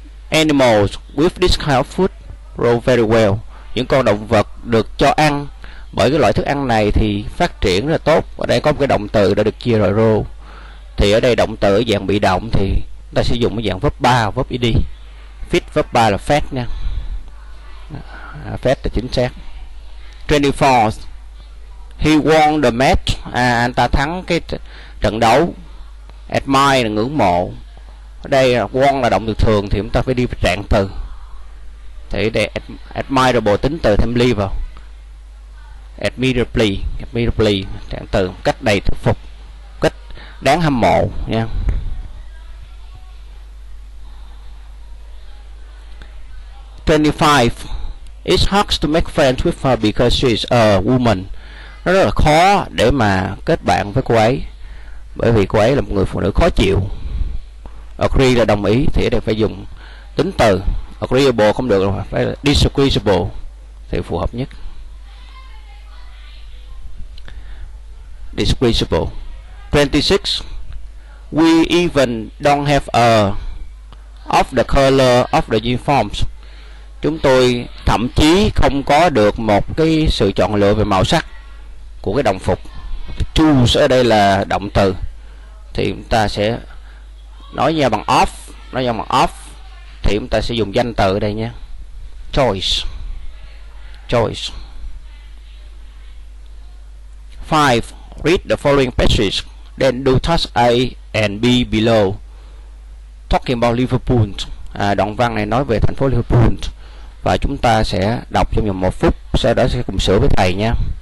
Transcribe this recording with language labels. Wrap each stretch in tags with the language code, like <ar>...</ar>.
<en>Animals with this kind of food grow very well.</en> <vi>Những con động vật được cho ăn bởi cái loại thức ăn này thì phát triển rất là tốt. Ở đây có một cái động từ đã được chia rồi, grow. Thì ở đây động từ ở dạng bị động thì ta sử dụng cái dạng verb 3 và verb ed. Feed verb 3 là fed nha. Fed là chính xác. 24.</vi> <en>He won the match.</en> <vi>À, anh ta thắng cái trận đấu. Admire là ngưỡng mộ. Ở đây won là động từ thường thì chúng ta phải đi trạng từ. Thì để admirable tính từ thêm ly vào. Admirably, admirably trạng từ cách đầy thuyết phục, cách đáng hâm mộ nha.</vi> <en>25. It's hard to make friends with her because she's a woman.</en> <vi>nó rất là khó để mà kết bạn với cô ấy, bởi vì cô ấy là một người phụ nữ khó chịu. Agree là đồng ý thì ở đây phải dùng tính từ agreeable, không được rồi phải là disagreeable thì phù hợp nhất.</vi> <en>Disagreeable. 26. We even don't have a of the color of the uniforms.</en> <vi>Chúng tôi thậm chí không có được một cái sự chọn lựa về màu sắc của cái đồng phục. Choose ở đây là động từ, thì chúng ta sẽ nói nhau bằng of, nói nhau bằng of, thì chúng ta sẽ dùng danh từ ở đây nhé.</vi> <en>Choice. Choice. 5. Read the following passages, then do task A and B below. Talking about Liverpool.</en> <vi>À, đoạn văn này nói về thành phố Liverpool. Và chúng ta sẽ đọc trong vòng 1 phút, sau đó sẽ cùng sửa với thầy nha.</vi>